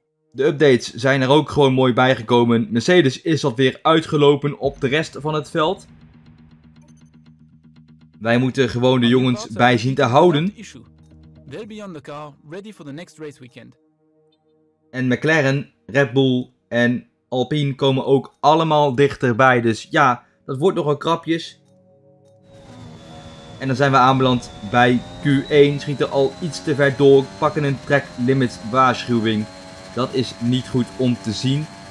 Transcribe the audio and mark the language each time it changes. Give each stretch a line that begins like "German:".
Dutch: De updates zijn er ook gewoon mooi bijgekomen. Mercedes is wat weer uitgelopen op de rest van het veld. Wij moeten gewoon de jongens bij zien te houden.
English: They'll be on the car, ready for the next race weekend.
Dutch: En McLaren, Red Bull en Alpine komen ook allemaal dichterbij. Dus ja, dat wordt nogal krapjes. En dan zijn we aanbeland bij Q1. Schieten al iets te ver door. Pakken een track limit waarschuwing. Dat is niet goed om te zien.